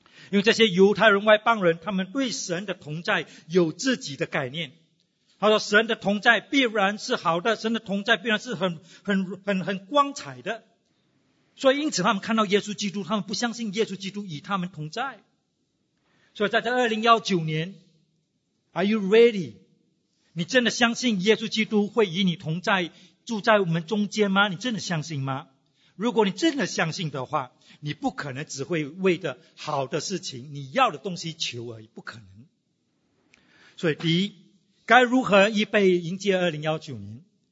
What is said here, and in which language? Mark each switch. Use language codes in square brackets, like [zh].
[zh] 因为这些犹太人外邦人，他们对神的同在有自己的概念。他说神的同在必然是好的，神的同在必然是很光彩的。所以因此他们看到耶稣基督，他们不相信耶稣基督与他们同在。所以在这2019年 [en] Are you ready? [zh] 你真的相信耶稣基督会与你同在，住在我们中间吗？你真的相信吗？如果你真的相信的话，你不可能只会为着好的事情，你要的东西求而已，不可能。所以第一，该如何预备迎接2019年？